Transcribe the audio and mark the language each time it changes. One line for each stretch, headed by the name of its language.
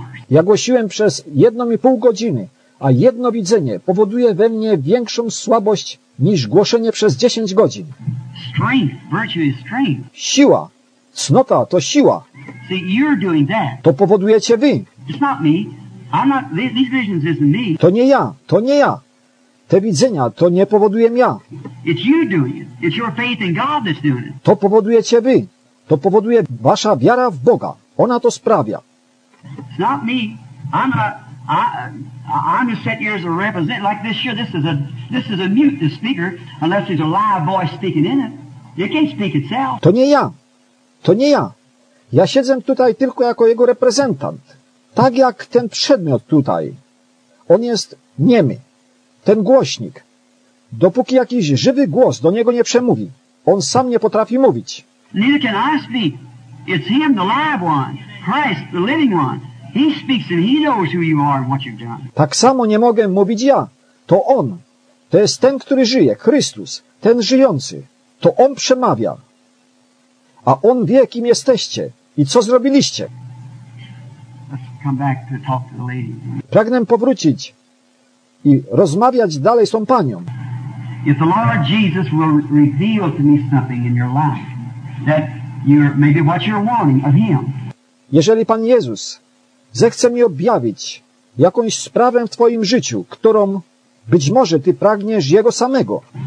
Polish: Ja głosiłem przez 1,5 godziny. A jedno widzenie powoduje we mnie większą słabość niż głoszenie przez 10 godzin.
English: Strength, virtue is strength.
Polish: Siła. Cnota to siła.
English: See, you're doing that.
Polish: To powodujecie wy.
English: It's not me. I'm not, these visions isn't me.
Polish: To nie ja. To nie ja. Te widzenia to nie powoduję ja.
English: It's you doing it. It's your faith in God that's doing it.
Polish: To powodujecie wy. To powoduje wasza wiara w Boga. Ona to sprawia.
English: It's not me. I'm just set here as a representative. Like this year, this is a mute, this speaker, unless there's a live voice speaking in it. It can't speak itself.
Polish: To nie ja. To nie ja. Ja siedzę tutaj tylko jako jego reprezentant. Tak jak ten przedmiot tutaj. On jest niemy. Ten głośnik. Dopóki jakiś żywy głos do niego nie przemówi, on sam nie potrafi mówić.
English: Neither can I speak. It's him, the live one. Christ, the living one. He speaks and he knows who you are and what you've done.
Polish: Tak samo nie mogę mówić ja. To on. To jest ten, który żyje. Chrystus. Ten żyjący. To on przemawia. A on wie, kim jesteście i co zrobiliście.
English: Let's come back to talk to the lady.
Polish: Pragnę powrócić i rozmawiać dalej z tą panią.
English: If the Lord Jesus will reveal to me something in your life that you're maybe what you're wanting of him.
Polish: Jeżeli Pan Jezus zechce mi objawić jakąś sprawę w twoim życiu, którą być może ty pragniesz jego samego.